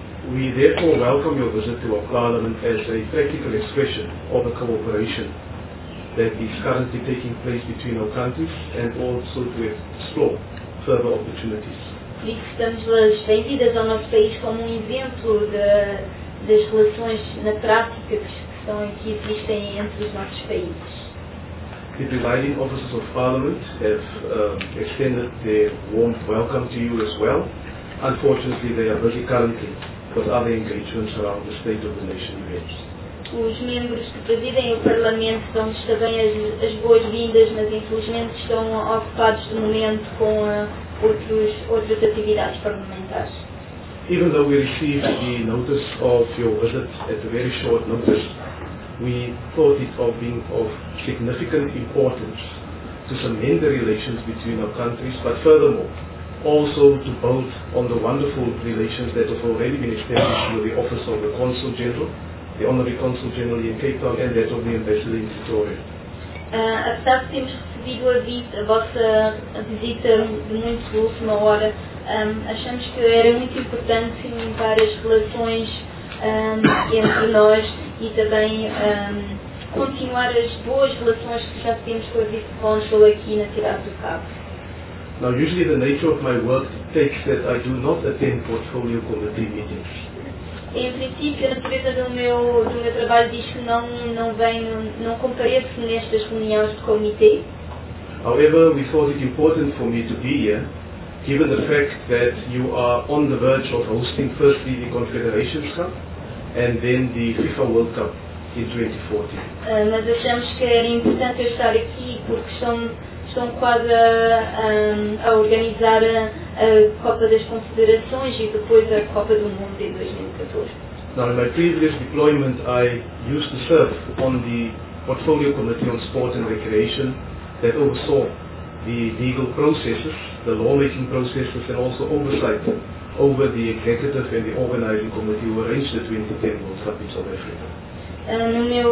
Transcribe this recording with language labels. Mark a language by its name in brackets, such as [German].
[English] We therefore welcome your visit to our Parliament as a practical expression of the cooperation that is currently taking place between our countries and also to explore further opportunities. [Portuguese] E que estamos hoje vendidas ao nosso país como um evento das relações na prática que existem entre os nossos países. [English] The presiding officers of Parliament have extended their warm welcome to you as well. Unfortunately, they are busy currently with other engagements around the State of the Nation events. [Portuguese] Os membros que presidem o Parlamento dão-lhes também as boas-vindas, mas infelizmente estão ocupados de momento com outras atividades parlamentares. [English] Even though we received the notice of your visit at a very short notice, we thought it of being of significant importance to cement the relations between our countries, but furthermore, also to build on the wonderful relations that have already been established with the office of the Consul General, the Honorary Consul General in Cape Town, and that of the Ambassador in Pretoria. [Portuguese] Apesar de termos recebido a vossa visita de muito última hora, achamos que era muito importante cimentar as relações entre nós e também continuar as boas relações que já temos com a Vice-Consul aqui na cidade do Cabo. [English] Now, usually the nature of my work takes that I do not attend portfolio committee meetings. [Portuguese] Em princípio, a natureza do meu trabalho diz que não compareço nestas reuniões de comitê. [English] However, we thought it important for me to be here, given the fact that you are on the verge of hosting firstly the Confederations Cup and then the FIFA World Cup in 2014. [Portuguese] Mas achamos que era importante eu estar aqui porque estão quase a organizar a Copa das Confederações e depois a Copa do Mundo em 2014. [English] Now, in my previous deployment, I used to serve on the Portfolio Committee on Sport and Recreation that oversaw the legal processes, the lawmaking processes, and also oversight over the executive and the organizing committee who arranged the 2010 World Cup in South Africa.